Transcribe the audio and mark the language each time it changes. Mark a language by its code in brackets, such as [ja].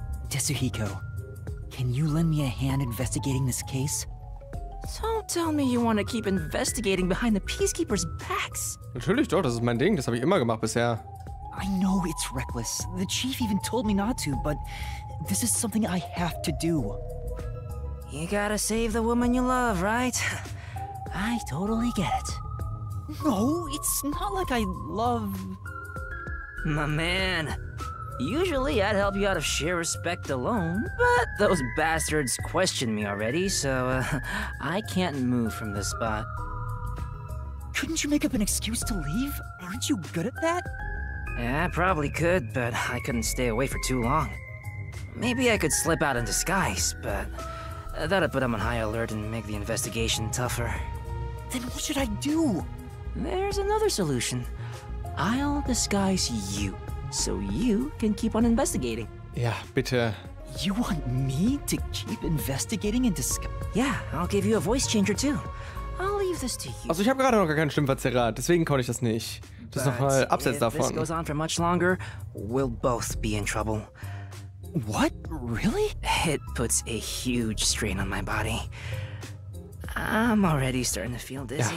[en] Desuhiko, can you lend me a hand investigating this case? Don't tell me you want to keep investigating behind the peacekeepers' backs. [de] Natürlich doch, das ist mein Ding, das habe ich immer gemacht bisher. [en] I know it's reckless. The chief even told me not to, but this is something I have to do. You gotta save the woman you love, right? I totally get it. No, it's not like I love... My man. Usually I'd help you out of sheer respect alone, but those bastards questioned me already, so I can't move from this spot. Couldn't you make up an excuse to leave? Aren't you good at that? Yeah, I probably could, but I couldn't stay away for too long. Maybe I could slip out in disguise, but that'd put them on high alert and make the investigation tougher. Then what should I do? There's another solution. I'll disguise you. So you can keep on investigating. [de] Yeah, bitte. [en] You want me to keep investigating and Yeah, I'll give you a voice changer too. I'll leave this to you. [de] Also, ich habe gerade noch gar keinen Stimmverzerrer, deswegen konnte ich das nicht. Das ist nochmal abseits davon. [en] If this goes on for much longer, we'll both be in trouble. What? Really? It puts a huge strain on my body. I'm already starting to feel dizzy.